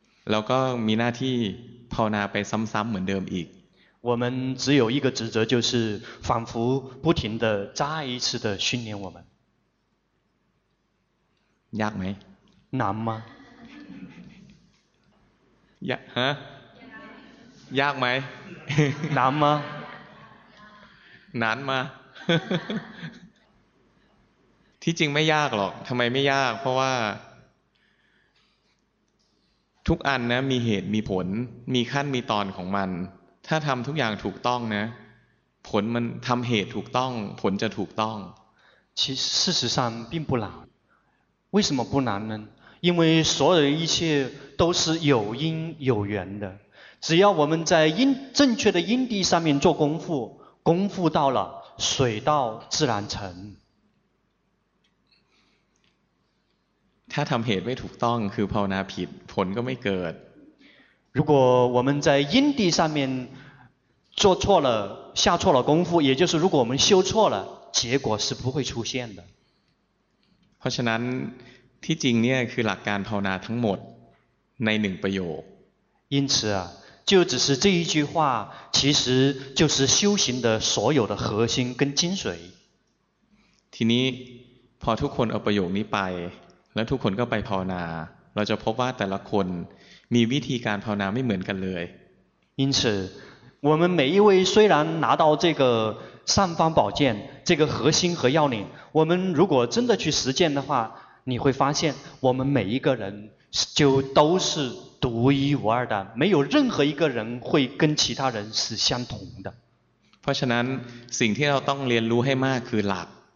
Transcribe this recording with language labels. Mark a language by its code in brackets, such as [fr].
[th] แล้วก็มีหน้าที่ภาวนาไปซ้ำๆเหมือนเดิมอีก [zh] 我们只有一个职责就是反复不停地再一次地训练我们 [th] ยากไ [zh] หม难吗 [th] ยากฮะยากไหม นานมาน านมาที่จริงไม่ยากหรอกทำไมไม่ยากเพราะว่าทุกอันนะมีเหตุมีผลมีขั้นมีตอนของมันถ้าทำทุกอย่างถูกต้องนะผลมันทำเหตุถูกต้องผลจะถูกต้อง [zh] 其实事实上并不难为什么不难呢因为所有的一切都是有因有缘的，只要我们在因正确的因地上面做功夫，功夫到了，水到自然成。 [th] ถ้าทำเหตุไม่ถูกต้องคือภาวนาผิดผลก็ไม่เกิด [zh] 如果我们在因地上面做错了下错了功夫也就是如果我们修错了结果是不会出现的 [th] เพราะฉะนั้นที่จริงเนี่ยคือหลักการภาวนาทั้งหมดในหนึ่งประโยค [zh] 因此啊就只是这一句话其实就是修行的所有的核心跟精髓 [th] ทีนี้พอทุกคนเอาประโยคนี้ไปแล้วทุกคนก็ไปภาวนาเราจะพบว่าแต่ละคนมีวิธีการภาวนาไม่เหมือนกันเลย [zh] 因此我们每一位虽然拿到这个三方宝剑这个核心和要领我们如果真的去实践的话你会发现我们每一个人就都是独一无二的没有任何一个人会跟其他人是相同的 [th] เพราะฉะนั้นสิ่งที่เราต้องเรียนรู้ให้มากคือหลัก